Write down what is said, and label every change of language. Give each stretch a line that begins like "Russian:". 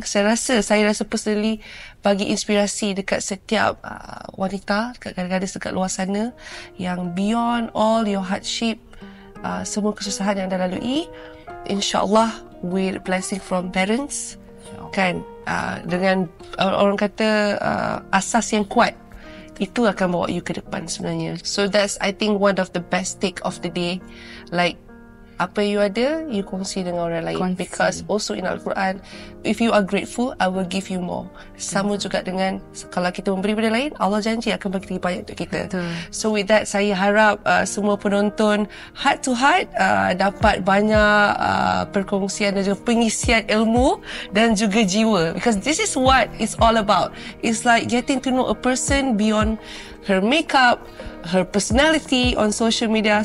Malay: Saya rasa personally bagi inspirasi dekat setiap wanita, dekat gadis-gadis dekat luar sana yang
English: beyond all your hardship,
Malay: semua kesusahan yang anda lalui, InsyaAllah
English: with blessing from parents,
Malay: kan, dengan orang kata asas yang kuat, itu akan bawa you ke depan sebenarnya.
English: So that's I think one of the best take of the day.
Malay: Like apa you ada, you kongsi dengan orang lain. Kongsi.
English: Because also in Al-Quran, if you are grateful, I will give you more.
Malay: Sama juga dengan kalau kita memberi pada lain, Allah janji akan bagi banyak untuk kita. Betul. So with that, saya harap semua penonton heart to heart dapat banyak perkongsian dan juga pengisian ilmu dan juga jiwa.
English: Because this is what it's all about. It's like getting to know a person beyond her makeup, her personality on social media.